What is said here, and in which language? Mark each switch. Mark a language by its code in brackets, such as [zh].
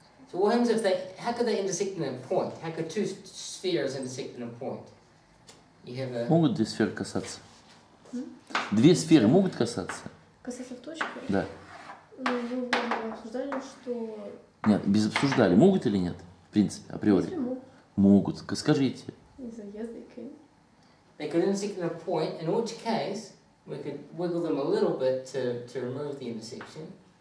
[en] So what happens if they, how could they intersect in a point? How could two spheres intersect in a point? You have a... [ru] Могут две сферы касаться? Две сферы могут касаться? Касаться в точку? Да. Ну, мы обсуждали, что... Нет, без обсуждали, могут или нет? В принципе, априори. Если могут. Могут, скажите. [en] They could intersect in a point, in which case, we could wiggle them a little bit to remove the intersection.